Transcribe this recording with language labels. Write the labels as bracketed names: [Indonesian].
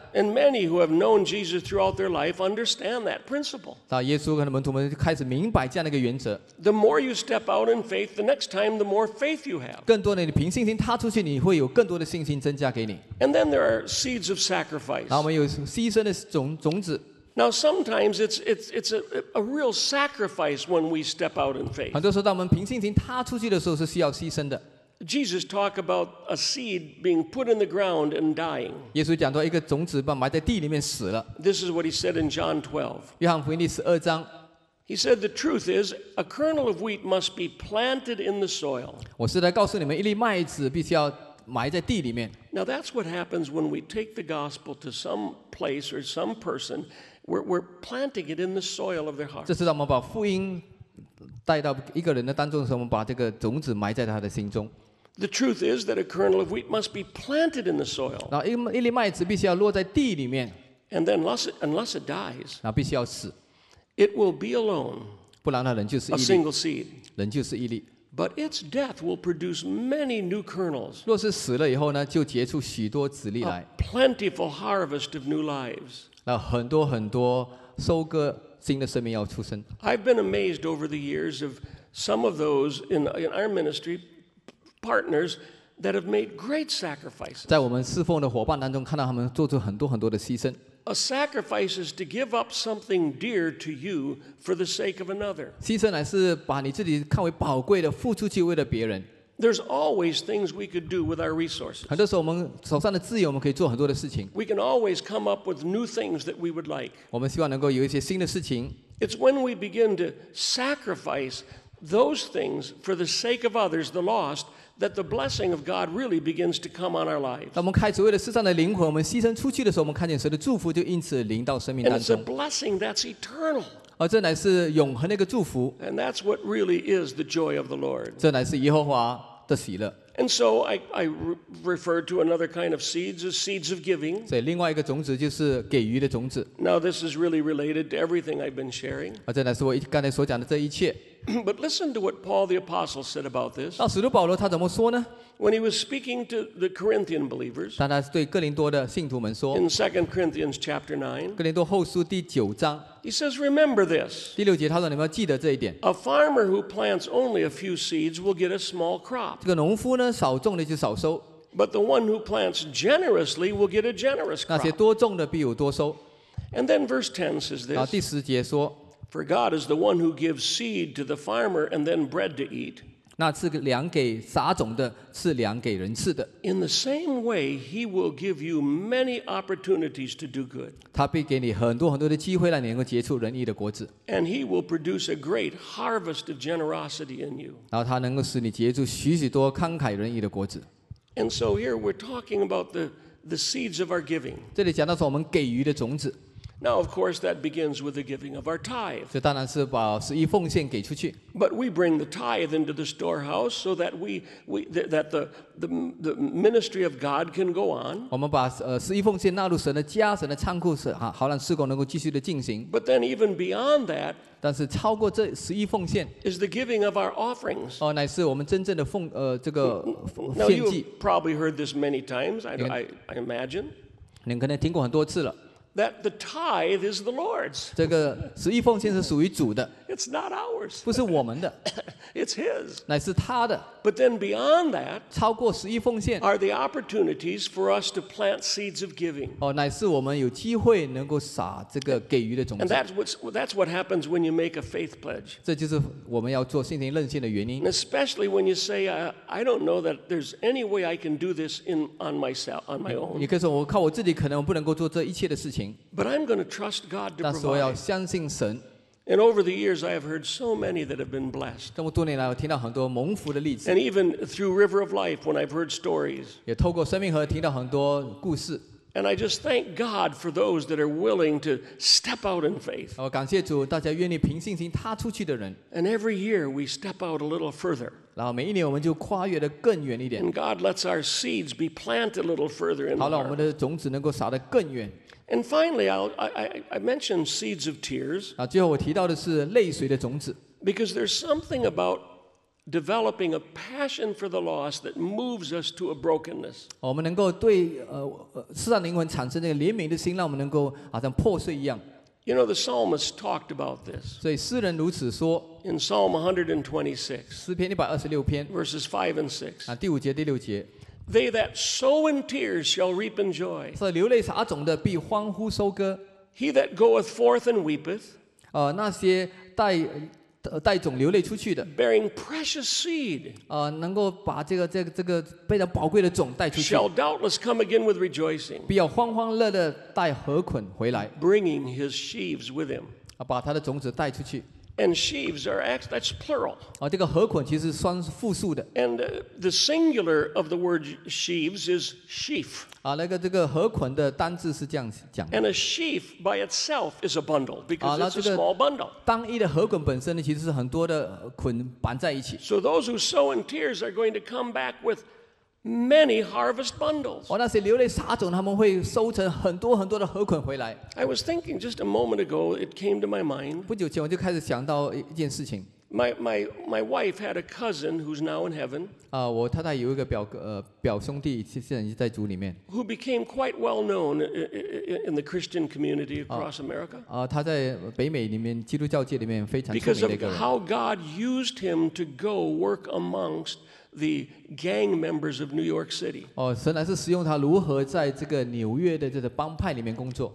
[English] And many who have known Jesus throughout their life understand that principle. [Chinese] 然后耶稣跟门徒们开始明白这样的一个原则。 [English] The more you step out in faith, the next time the more faith you have. [Chinese] 更多的你凭信心踏出去，你会有更多的信心增加给你。 [English] And then there are seeds of sacrifice. [Chinese] 然后我们有牺牲的种子。 [English] Now sometimes it's a real sacrifice when we step out in faith. [Chinese] 很多时候，当我们凭信心踏出去的时候，是需要牺牲的。 [English] Jesus talked about a seed being put in the ground and dying. [Chinese] 耶稣讲到一个种子被埋在地里面死了。 [English] This is what he said in John 12. [Chinese] 约翰福音第十二章。 [English] He said the truth is a kernel of wheat must be planted in the soil. [Chinese] 我是来告诉你们，一粒麦子必须要埋在地里面。 [English] Now that's what happens when we take the gospel to some place or some person. We're planting it in the soil of their heart. [Chinese] 这是让我们把福音带到一个人的当中的时候，我们把这个种子埋在他的心中。 [English] The truth is that a kernel of wheat must be planted in the soil. [Chinese] 然后一粒麦子必须要落在地里面。 [English] And then unless it dies, [Chinese] 然后必须要死。 [English] It will be alone. [Chinese] 不然它仍旧是一粒。 [English] A single seed. [Chinese] 仍旧是一粒。 [English] But its death will produce many new kernels. [Chinese] 若是死了以后呢，就结出许多籽粒来。 [English] A plentiful harvest of new lives. [Chinese] 然后很多很多收割。新的生命要出生。 [English] I've been amazed over the years of some of those in our ministry partners that have made great sacrifices. [Chinese] 在我们侍奉的伙伴当中，看到他们做出很多很多的牺牲。 [English] A sacrifice is to give up something dear to you for the sake of another. [Chinese] 牺牲乃是把你自己看为宝贵的付出去为了别人。 [English] There's always things we could do with our resources. [Chinese] 很多时候我们手上的资源，我们可以做很多的事情。 [English] We can always come up with new things that we would like. [Chinese] 我们希望能够有一些新的事情。 [English] It's when we begin to sacrifice those things for the sake of others, the lost, that the blessing of God really begins to come on our lives. [Chinese] 当我们开始为了世上的灵魂，我们牺牲出去的时候，我们看见神的祝福就因此临到生命当中。 [English] And it's a blessing that's eternal. [Chinese] 而这乃是永恒的一个祝福。 [English] And that's what really is the joy of the Lord. [Chinese] 这乃是耶和华的喜乐。 [English] And so I refer to another kind of seeds as seeds of giving. [Chinese] 所以另外一个种子就是给予的种子。 [English] Now this is really related to everything I've been sharing. [Chinese] 这乃是我刚才所讲的这一切。 [English] But listen to what Paul the Apostle said about this. [Chinese] 那使徒保罗他怎么说呢？ [English] When he was speaking to the Corinthian believers. [Chinese] 当他对哥林多的信徒们说。 [English] In 2 Corinthians chapter 9. [Chinese] 哥林多后书第九章。 [English] He says, remember this. [Chinese] 第六节他说你们要记得这一点。 [English] A farmer who plants only a few seeds will get a small crop. [Chinese] 这个农夫呢，少种的就少收。 [English] But the one who plants generously will get a generous crop. [Chinese] 那些多种的必有多收。 [English] And then verse 10 says this. [Chinese] 然后第十节说。 [English] For God is the one who gives seed to the farmer and then bread to eat. [Chinese] 那是粮给撒种的，是粮给人吃的。 [English] In the same way, He will give you many opportunities to do good. [Chinese] 他必给你很多很多的机会，让你能够结出仁义的果子。 [English] And He will produce a great harvest of generosity in you. [Chinese] 然后他能够使你结出许许多慷慨仁义的果子。 [English] And so here we're talking about the seeds of our giving. [Chinese] 这里讲到说我们给予的种子。 [English] Now, of course, that begins with the giving of our tithe. [Chinese] 这当然是把十一奉献给出去。 [English] But we bring the tithe into the storehouse so that the ministry of God can go on. [Chinese] 我们把十一奉献纳入神的家、神的仓库，好让事工能够继续的进行。 [English] But then, even beyond that, [Chinese] 但是超过这十一奉献 [English] is the giving of our offerings. [Chinese] 哦，乃是我们真正的奉这个献祭。 [English] Now, you've probably heard this many times. I imagine. [Chinese] 您可能听过很多次了。 [English] That the tithe is the Lord's. [Chinese] 这个十一奉献是属于主的。 [English] It's not ours. [Chinese] 不是我们的。 [English] It's His. [Chinese] 乃是他的。 [English] But then beyond that, [Chinese] 超过十一奉献 [English] are the opportunities for us to plant seeds of giving. [Chinese] 哦，乃是我们有机会能够撒这个给予的种子。 [English] And that's what happens when you make a faith pledge. [Chinese] 这就是我们要做信心认信的原因。 [English] And especially when you say, I don't know that there's any way I can do this on my own. [Chinese] 你可以说我靠我自己可能不能够做这一切的事情。 [English] But I'm going to trust God to provide. [Chinese] 但是我要相信神。 [English] And over the years, I have heard so many that have been blessed. [Chinese] 这么多年来，我听到很多蒙福的例子。 [English] And even through River of Life, when I've heard stories. [Chinese] 也透过生命河听到很多故事。 [English] And I just thank God for those that are willing to step out in faith. [Chinese] 我感谢主，大家愿意凭信心踏出去的人。 [English] And every year we step out a little further. [Chinese] 然后每一年我们就跨越的更远一点。 [English] And God lets our seeds be planted a little further in. [Chinese] 好了，我们的种子能够撒得更远。 [English] And finally, I mentioned seeds of tears. [Chinese] 啊，最后我提到的是泪水的种子。 [English] Because there's something about developing a passion for the lost that moves us to a brokenness. [Chinese] 我们能够对世上灵魂产生那个怜悯的心，让我们能够好像破碎一样。 [English] You know, the psalmist talked about this. [Chinese] 所以诗人如此说。 [English] In Psalm 126. [Chinese] 诗篇一百二十六篇。 [English] Verses 5 and 6. [Chinese] 啊，第五节第六节。 [English] They that sow in tears shall reap in joy. [Chinese] 是流泪撒种的必欢呼收割。 [English] He that goeth forth and weepeth. [Chinese] 那些带种流泪出去的。 [English] Bearing precious seed. [Chinese] 能够把这个非常宝贵的种带出去。 [English] Shall doubtless come again with rejoicing. [Chinese] 必要欢欢乐乐带禾捆回来。 [English] Bringing his sheaves with him. [Chinese] 把他的种子带出去。 [English] And sheaves are that's plural. [Chinese] 啊，这个禾捆其实算是复数的。 [English] And the singular of the word sheaves is sheaf. [Chinese] 啊，那个这个禾捆的单字是这样讲的。 [English] And a sheaf by itself is a bundle because it's a small bundle. [Chinese] 单一的禾捆本身呢，其实是很多的捆绑在一起。 [English] So those who sow in tears are going to come back with many harvest bundles. [Chinese] 哦，那些流泪撒种，他们会收成很多很多的禾捆回来。 [English] I was thinking just a moment ago, it came to my mind. [Chinese] 不久前我就开始想到一件事情。 [English] My wife had a cousin who's now in heaven. [Chinese] 啊，我太太有一个表兄弟，现在已经在主里面。 [English] Who became quite well known in the Christian community across America. [Chinese] 啊，他在北美里面基督教界里面非常出名的一个人。 [English] Because of how God used him to go work amongst the gang members of New York City. [Chinese] 哦，神乃是使用他如何在这个纽约的这个帮派里面工作。